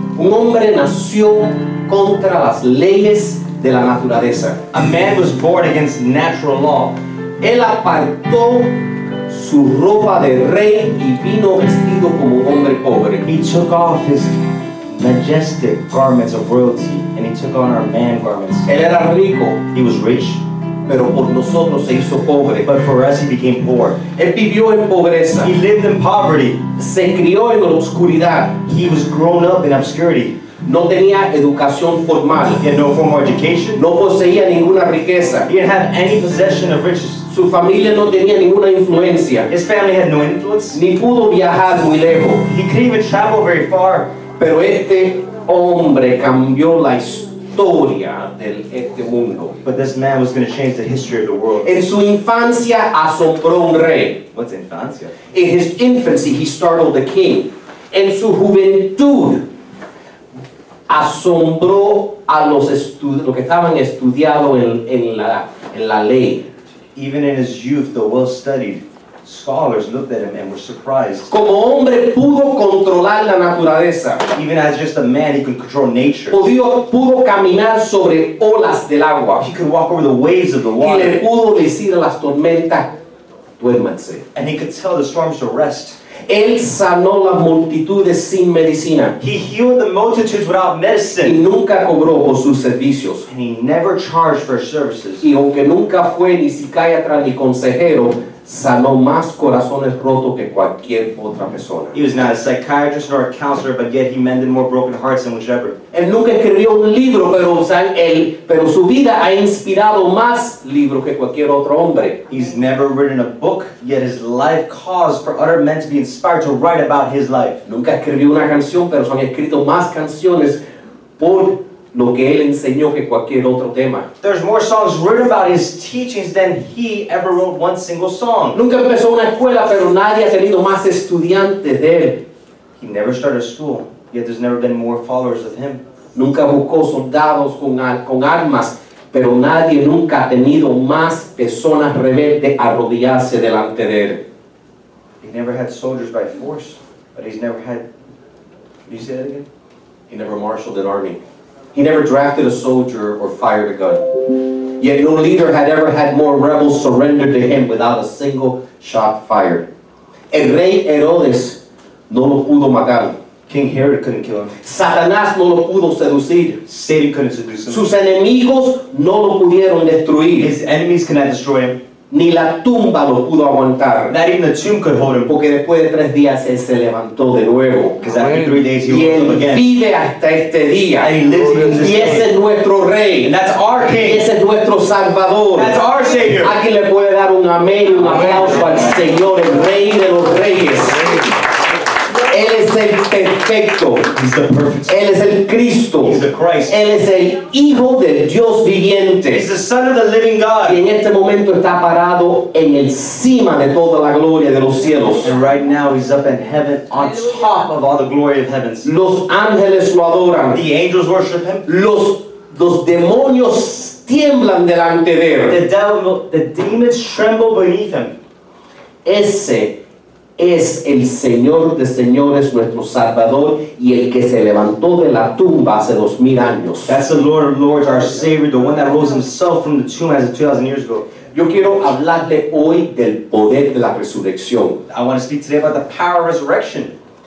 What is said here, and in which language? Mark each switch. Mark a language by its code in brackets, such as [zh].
[es] Un hombre nació contra las leyes de la naturaleza. [en] A man was born against natural law. [es] Él apartó su ropa de rey y vino vestido como un hombre pobre. [en] He took off his majestic garments of royalty and he took on our man garments. [es] Él era rico. [en] He was rich. [es] Pero por nosotros se hizo pobre. [en] But for us he became poor. [es] Él vivió en pobreza. [en] He lived in poverty. [es] Se crió en la oscuridad. [en] He was grown up in obscurity. [es] No tenía educación formal. [en] He had no formal education. [es] No poseía ninguna riqueza. [en] He didn't have any possession of riches. [es] Su familia no tenía ninguna influencia. [en] His family had no influence. [es] Ni pudo viajar muy lejos. [en] He couldn't even travel very far. [es] Pero este hombre cambió la historia del este mundo. [en] But this man was going to change the history of the world. [es] En su infancia asombró un rey. [en] What's infancia? In his infancy he startled the king. [es] En su juventud asombró a los lo que estaban estudiados en la ley. [en] Even in his youth, the well-studied scholars looked at him and were surprised. [es] Como hombre pudo controlar la naturaleza. [en] Even as just a man, he could control nature. [es] Pudo caminar sobre olas del agua. [en] He could walk over the waves of the water. [es] Y le pudo decir a las tormentas, duérmanse. [en] And he could tell the storms to rest. [es] Él sanó las multitudes sin medicina. [en] He healed the multitudes without medicine. [es] Y nunca cobró por sus servicios. [en] And he never charged for services. [es] Y aunque nunca fue ni psiquiatra ni consejero, sanó más corazones rotos que cualquier otra persona. [en] He was not a psychiatrist nor a counselor, but yet he mended more broken hearts than whichever. [es] Él nunca escribió un libro, pero, o sea, él, pero su vida ha inspirado más libros que cualquier otro hombre. [en] He's never written a book, yet his life caused for other men to be inspired to write about his life. [es] Nunca escribió una canción, pero son escrito más canciones por lo que él enseñó que cualquier otro tema. [en] There's more songs written about his teachings than he ever wrote one single song. [es] Nunca empezó una escuela, pero nadie ha tenido más estudiantes de él. [en] He never started school, yet there's never been more followers of him. [es] Nunca buscó soldados con armas, pero nadie nunca ha tenido más personas rebeldes arrodillarse delante de él. [en] He never had soldiers by force, but he's never had... Can you say that again? He never marshaled an army. He never drafted a soldier or fired a gun. Yet no leader had ever had more rebels surrender to him without a single shot fired. [es] El rey Herodes no lo pudo matar. [en] King Herod couldn't kill him. [es] Satanás no lo pudo seducir. [en] Satan couldn't seduce him. [es] Sus enemigos no lo pudieron destruir. [en] His enemies cannot destroy him. [es] Ni la tumba lo pudo aguantar. [en] Not even the tomb could hold him. [es] Porque después de tres días él se levantó de nuevo. [en] Because after 3 days he woke up again. [es] Y él vive hasta este día. [en] And he lives in this [es] day. Y ese es nuestro rey. [en] And that's our king. [es] Y ese es nuestro salvador. [en] That's our savior. [es] ¿A quién le puede dar un amén y un aplauso al Señor, el rey de los reyes? Él es el perfecto. [en] He's the perfect. [es] Él es el Cristo. [en] He's the Christ. [es] Él es el Hijo del Dios viviente. [en] He's the Son of the living God. [es] Y en este momento está parado en el cima de toda la gloria de los cielos. [en] And right now he's up in heaven on top of all the glory of heaven. [es] Los ángeles lo adoran. [en] The angels worship him. [es] Los demonios tiemblan delante de él. [en] The demons tremble beneath him. [es] Ese es el Señor de señores, nuestro Salvador, y el que se levantó de la tumba hace 2,000 años. [en] That's the Lord of Lords, our Savior, the one that rose himself from the tomb as of 2,000 years ago. [es] Yo quiero hablarle hoy del poder de la resurrección. [en] I want to speak today about the power of resurrection.